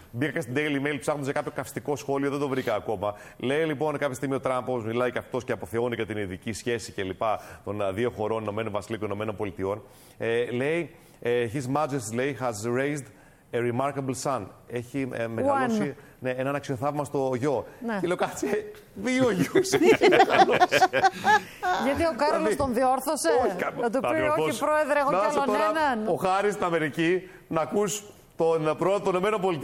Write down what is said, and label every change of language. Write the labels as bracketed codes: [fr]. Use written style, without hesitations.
[el] Μπήκα στην Daily Mail ψάχνοντας για κάποιο καυστικό σχόλιο, δεν το βρήκα ακόμα. Λέει λοιπόν κάποια στιγμή ο Τραμπ, όπως μιλάει και αυτός και αποθεώνει για την ειδική σχέση και λοιπά των δύο χωρών, Ηνωμένων Βασιλείων και Ηνωμένων Πολιτειών. Λέει, [en] His Majesty [el] λέει, [en] has raised a remarkable son. [el] Έχει μεγαλώσει ναι, έναν αξιοθαύμαστο γιο. Ναι. Και λέω κάτσε, δύο γιους. Γιατί ο Κάρολος τον διόρθωσε. Να του πει όχι πρόεδρε, εγώ κι άλλον έναν. Ο Χάρης στην Αμερική να ακούς τον πρόεδρο των ΗΠΑ